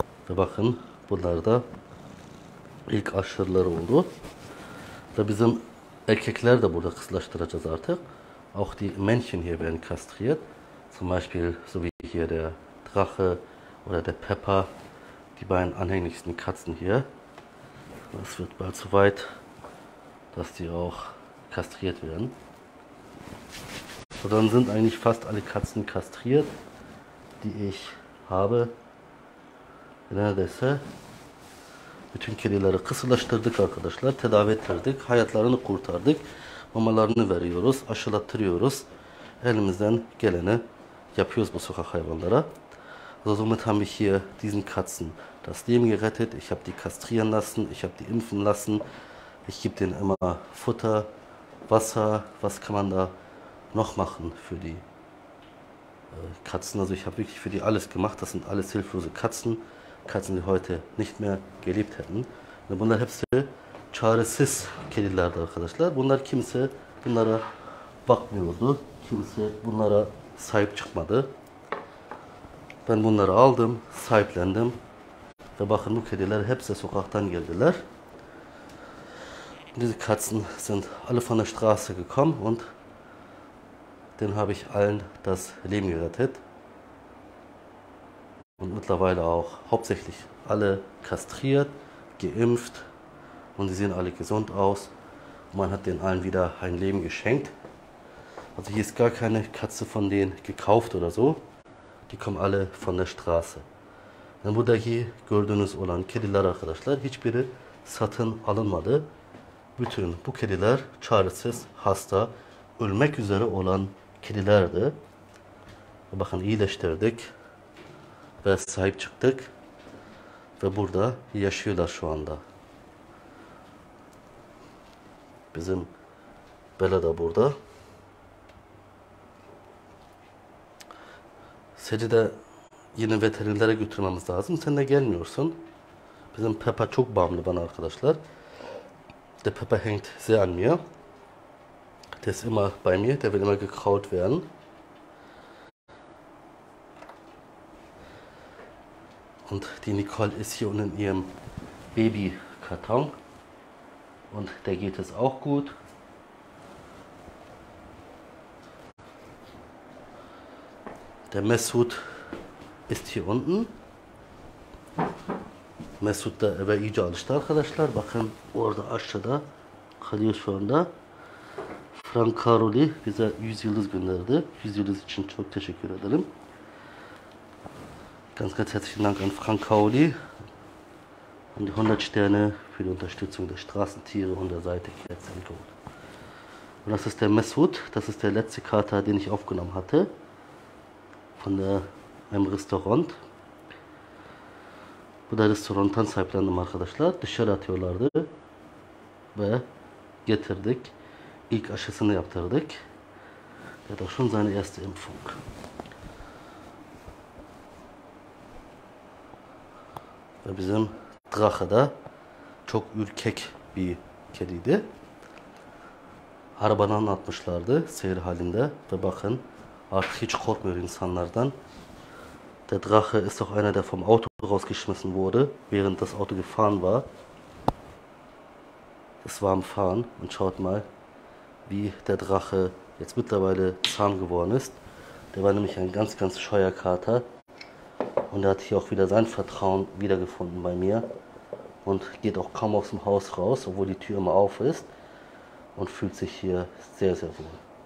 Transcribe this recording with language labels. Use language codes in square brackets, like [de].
[tr] Ve bakın bunlar da ilk aşıları oldu. Ve bizim erkekler de burada kısırlaştıracağız artık. [de] Auch die Männchen hier werden kastriert. Zum Beispiel so wie hier der Drache oder der Pepper, die beiden anhänglichsten Katzen hier. Es wird bald so weit, dass die auch kastriert werden. So, dann sind eigentlich fast alle Katzen kastriert, die ich habe. [tr] Neredeyse bütün kedileri kısırlaştırdık arkadaşlar, tedavi ettirdik, hayatlarını kurtardık. Mamalarını veriyoruz, aşılattırıyoruz. Elimizden geleni yapıyoruz bu sokak hayvanlara. [de] So, somit haben wir hier diesen Katzen das Leben gerettet. Ich habe die kastrieren lassen, ich habe die impfen lassen. Ich gebe denen immer Futter, Wasser. Was kann man da noch machen für die Katzen? Also ich habe wirklich für die alles gemacht. Das sind alles hilflose Katzen. Katzen, die heute nicht mehr gelebt hätten. [tr] Und bunlar hepsi çaresiz kedilerdi arkadaşlar. Bunlar kimse bunlara bakmıyordu. Kimse bunlara sahip çıkmadı. Ben bunları aldım, sahiplendim. Ve bakın bu kediler hepsi sokaktan geldiler. [de] Diese Katzen sind alle von der Straße gekommen und denen habe ich allen das Leben gerettet. Und mittlerweile auch hauptsächlich alle kastriert, geimpft und sie sehen alle gesund aus. Und man hat denen allen wieder ein Leben geschenkt. Also hier ist gar keine Katze von denen gekauft oder so. Die kommen alle von der Straße. [tr] Denn buradaki gördüğünüz olan kediler arkadaşlar hiçbiri satın alınmadı. Bütün bu kediler çaresiz, hasta, ölmek üzere olan kedilerdi. Bakın iyileştirdik ve sahip çıktık ve burada yaşıyorlar şu anda. Bizim Bela da burada. Seni de yine veterinlere götürmemiz lazım. Sen de gelmiyorsun. Bizim Pepa çok bağımlı bana arkadaşlar. [de] Der Pepper hängt sehr an mir. Der ist immer bei mir, der will immer gekraut werden. Und die Nicole ist hier unten in ihrem Babykarton. Und der geht es auch gut. Der Mesut ist hier unten. [tr] Mesut da eve iyice alıştı arkadaşlar. Bakın orada aşağıda kalıyor şu anda. Frank Caroli bize 100 yıldız gönderdi. 100 yıldız için çok teşekkür ederim. [de] Ganz ganz herzlichen Dank an Frank Caroli. Und die 100 Sterne für die Unterstützung der Straßentiere und der Seite Cats & Gold. Und das ist der Mesut. Das ist der letzte Kater, den ich aufgenommen hatte. Von der [tr] hem restorant. Bu da restorandan sahiplendim arkadaşlar. Dışarı atıyorlardı. Ve getirdik. İlk aşısını yaptırdık. [de] Ya da schon seine erste Impfung. [tr] Ve bizim Drache da çok ürkek bir kediydi. Arabadan atmışlardı seyir halinde ve bakın artık hiç korkmuyor insanlardan. [de] Der Drache ist auch einer, der vom Auto rausgeschmissen wurde, während das Auto gefahren war. Es war am Fahren und schaut mal, wie der Drache jetzt mittlerweile zahm geworden ist. Der war nämlich ein ganz, ganz scheuer Kater und er hat hier auch wieder sein Vertrauen wiedergefunden bei mir und geht auch kaum aus dem Haus raus, obwohl die Tür immer auf ist und fühlt sich hier sehr, sehr wohl.